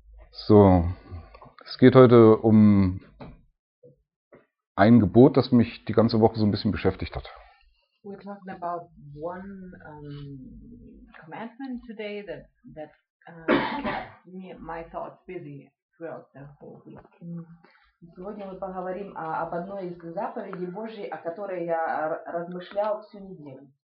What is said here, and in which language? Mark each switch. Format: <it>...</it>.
<de>So, es geht heute um ein Gebot, das mich die ganze Woche so ein bisschen beschäftigt hat.</de> <en>We're talking about one commandment today that kept me my thoughts busy throughout the whole week.</en> <ru>Сегодня мы поговорим об одной из заповедей Божьей, о которой я размышлял всю неделю.</ru>